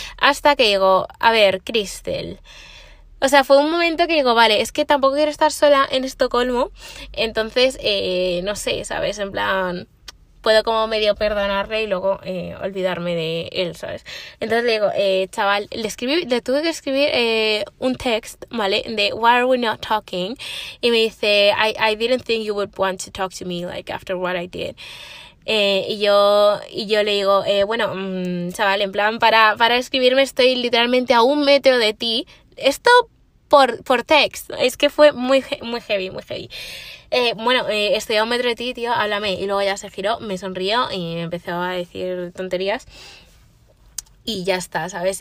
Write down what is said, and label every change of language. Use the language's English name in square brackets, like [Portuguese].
[Spanish] Hasta que digo, a ver, Crystal. O sea, fue un momento que digo, vale, es que tampoco quiero estar sola en Estocolmo. Entonces, no sé, ¿sabes? En plan, puedo como medio perdonarle y luego olvidarme de él, ¿sabes? Entonces le digo, chaval, le tuve que escribir un text, ¿vale? [English] De Why are we not talking? Y me dice, I didn't think you would want to talk to me, like, after what I did. [Spanish] Y yo le digo, bueno, chaval, en plan, para escribirme estoy literalmente a 1 metro de ti. Esto por text. Es que fue muy, muy heavy, muy heavy. Bueno, estoy a 1 metro de ti, tío, háblame. Y luego ya se giró, me sonrió y me empezó a decir tonterías. Y ya está, ¿sabes?